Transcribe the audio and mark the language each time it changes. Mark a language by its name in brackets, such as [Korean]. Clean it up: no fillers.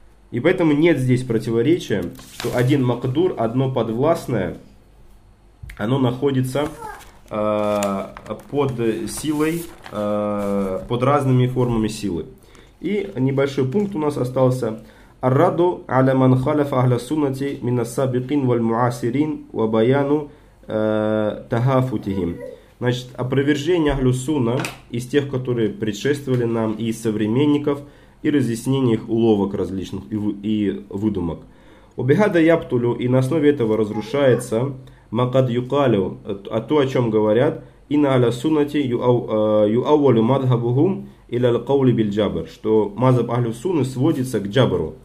[Russian] И поэтому нет здесь противоречия, что один макдур, одно подвластное, оно находится под силой, под разными формами силы. И небольшой пункт у нас остался. [Arabic] الرد على من خالف أهل السنة من السابقين والمعاصرين وبيان تهافتهم. [Russian] Значит, опровержение Ахлю Сунна из тех, которые предшествовали нам, и современников, и разъяснение их уловок различных и выдумок. [Arabic] وبهذا يبطل [Russian] и на основе этого разрушается [Arabic] ما قد يقال [Russian] о том, о чем говорят [Arabic] إن أهل السنة يؤول مذهبهم إلى القول بالجبر, [Russian] что мазаб Ахлю Сунны сводится к джабру.